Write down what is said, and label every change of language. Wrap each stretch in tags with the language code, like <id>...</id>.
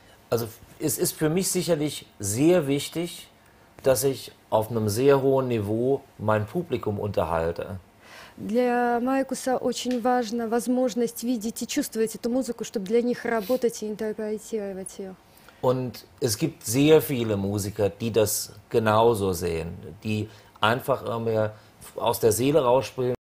<de>Also es ist für mich sicherlich sehr wichtig, dass ich auf einem sehr hohen Niveau mein Publikum unterhalte.</de> <ru>Для Майкуса очень важна возможность видеть и чувствовать эту музыку, чтобы для них работать и интерпретировать ее.</ru> <de>Und es gibt sehr viele Musiker, die das genauso sehen, die einfach immer aus der Seele rausspringen.</de>